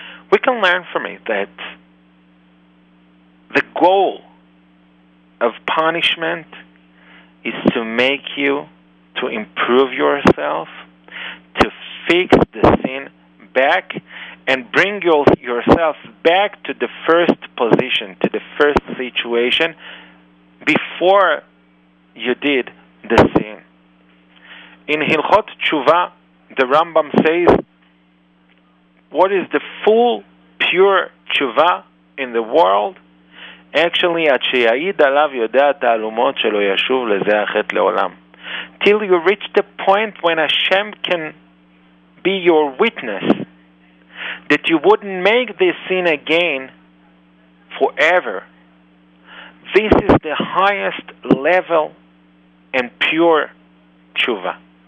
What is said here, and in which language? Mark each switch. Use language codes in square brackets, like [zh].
[en] We can learn from it that the goal of punishment is to make you to improve yourself, to fix the sin back, and bring yourself back to the first position, to the first situation, before you did the sin. In Hilchot Tshuva, the Rambam says, what is the full, pure Tshuva in the world? Actually, [he] עד שיעיד עליו יודע תעלומות שלא ישוב לזה החטא לעולם. [en] Till you reach the point when Hashem can be your witness that you wouldn't make this sin again forever. This is the highest level and pure tshuva.